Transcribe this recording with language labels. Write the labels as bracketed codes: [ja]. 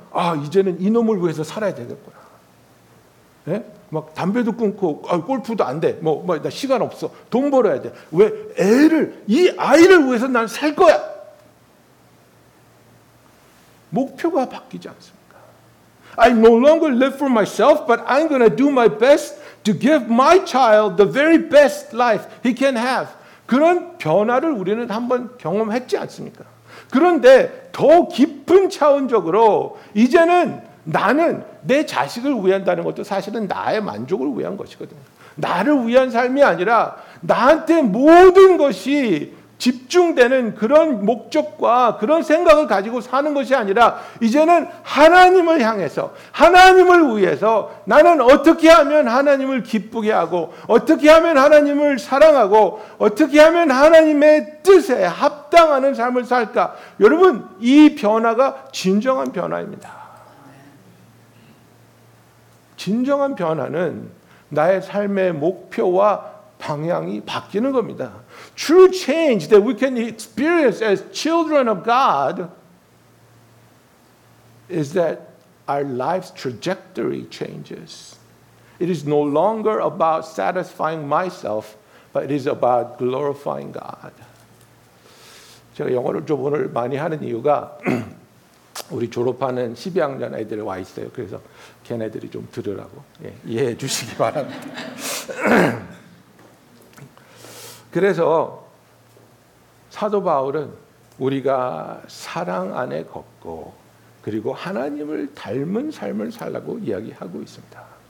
[ko] 아 이제는 이놈을 위해서 살아야 되겠구나. 예? 막 담배도 끊고 아, 골프도 안 돼. 뭐 나 시간 없어. 돈 벌어야 돼. 왜 애를 이 아이를 위해서 난 살 거야. 목표가 바뀌지 않습니까? [en] I no longer live for myself, but I'm going to do my best to give my child the very best life he can have. [ko] 그런 변화를 우리는 한번 경험했지 않습니까? 그런데 더 깊은 차원적으로 이제는 나는 내 자식을 위한다는 것도 사실은 나의 만족을 위한 것이거든요. 나를 위한 삶이 아니라 나한테 모든 것이 집중되는 그런 목적과 그런 생각을 가지고 사는 것이 아니라 이제는 하나님을 향해서 하나님을 위해서 나는 어떻게 하면 하나님을 기쁘게 하고 어떻게 하면 하나님을 사랑하고 어떻게 하면 하나님의 뜻에 합당하는 삶을 살까. 여러분 이 변화가 진정한 변화입니다. 진정한 변화는 나의 삶의 목표와 방향이 바뀌는 겁니다. [en] True change that we can experience as children of God is that our life's trajectory changes. It is no longer about satisfying myself, but it is about glorifying God. [ko] 제가 영어를 좀 오늘 많이 하는 이유가 우리 졸업하는 12학년 애들이 와 있어요. 그래서 걔네들이 좀 들으라고 예, 이해해 주시기 바랍니다. 그래서 사도 바울은 우리가 사랑 안에 걷고 그리고 하나님을 닮은 삶을 살라고 이야기하고 있습니다.